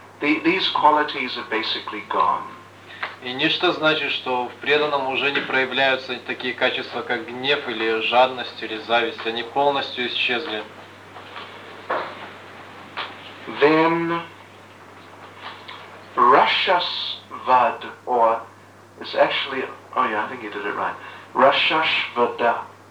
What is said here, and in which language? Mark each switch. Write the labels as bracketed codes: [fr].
[en] These qualities are basically gone. [ru] И ништа значит, что в преданном уже не проявляются такие качества, как гнев или жадность или зависть. Они полностью исчезли. [en] Then rashas vad, or it's actually, I think you did it right. Rashashvada.